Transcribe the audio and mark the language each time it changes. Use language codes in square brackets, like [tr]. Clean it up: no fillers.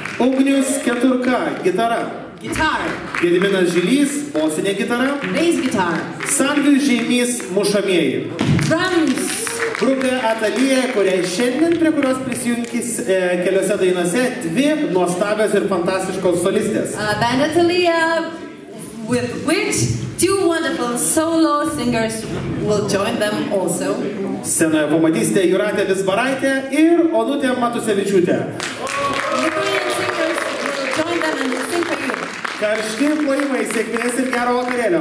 [lt] Ugnius Keturka, gitara. [en] Guitar. [lt] Gediminas Žilys, bosinė gitara. [en] Bass guitar. [lt] Sandvių Žeimys, mušamieji. [en] Drums. [lt] Grupė Atalija, kurią šiandien prie kurios prisijungtis keliose dainose, dvi nuostabios ir fantastiškos solistės. [en] Band Atalija, with which two wonderful solo singers will join them also. [lt] Scenoje pamatysite Jūratę Vizbaraitę ir Onutę Matusevičiūtę. [en] Ukrainian singers will join them and sing for you. [lt] Karšti plojimai, sėkmės ir gero vakarėlio.